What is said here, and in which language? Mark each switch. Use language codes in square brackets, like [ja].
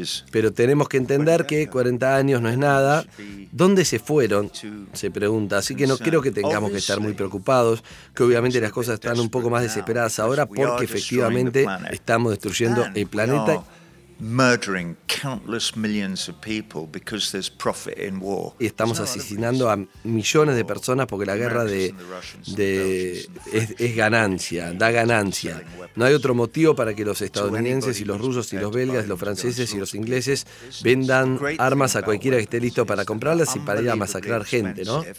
[es] Pero tenemos que entender que 40 años no es nada. ¿Dónde se fueron? Se pregunta. Así que no creo que tengamos que estar muy preocupados, que obviamente las cosas están un poco más desesperadas ahora porque efectivamente estamos destruyendo el planeta. [en] Murdering countless millions of people because there's profit in war. [es] Y estamos asesinando a millones de personas porque la guerra es ganancia, da ganancia. No hay otro motivo para que los estadounidenses y los rusos y los belgas, los franceses y los ingleses vendan armas a cualquiera que esté listo para comprarlas y para ir a masacrar gente, ¿no?